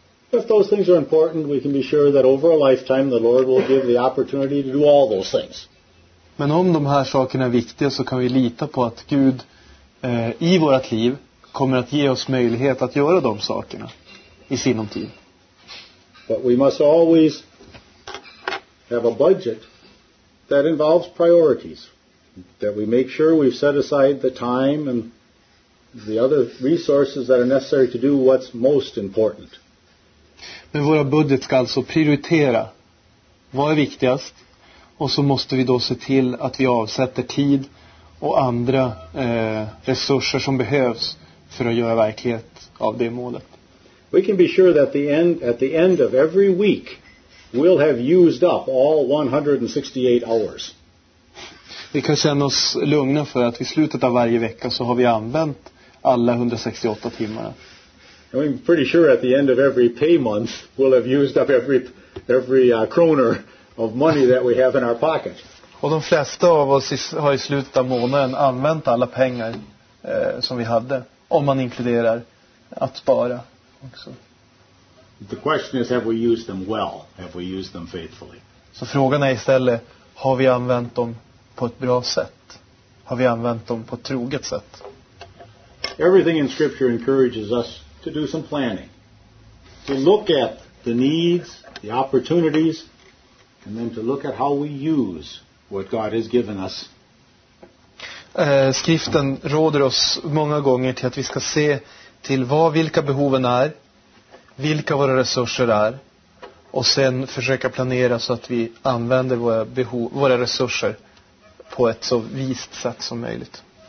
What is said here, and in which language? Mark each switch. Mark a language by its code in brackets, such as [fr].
[en] If those things are important, we can be sure that over a lifetime the Lord will give the opportunity to do all those things. [sv] Men om de här sakerna är viktiga, så kan vi lita på att Gud i vårt liv kommer att ge oss möjlighet att göra de sakerna i sinom tid. [en] But we must always have a budget that involves priorities, that we make sure we've set aside the time and the other resources that are necessary to do what's most important. [sv] Men vår budget ska alltså prioritera vad är viktigast, och så måste vi då se till att vi avsätter tid och andra resurser som behövs för att göra verklighet av det målet. [en] We can be sure that at the end of every week we'll have used up all 168 hours. [sv] Vi kan känna oss lugna för att vid slutet av varje vecka så har vi använt alla 168 timmar. [en] And we're pretty sure at the end of every pay month we'll have used up every kroner of money that we have in our pocket. [sv] Och de flesta av oss har i slutet av månaden använt alla pengar som vi hade. Om man inkluderar att spara också. [en] The question is, have we used them well? Have we used them faithfully? [sv] Så frågan är istället, har vi använt dem på ett bra sätt? har vi använt dem på ett troget sätt? [en] Everything in scripture encourages us to do some planning. To look at the needs, the opportunities, and then to look at how we use what God has given us. [sv] Skriften råder oss många gånger till att vi ska se till vad vilka behoven är, vilka våra resurser är, och sen försöka planera så att vi använder våra behov, våra resurser på ett så vist sätt som möjligt.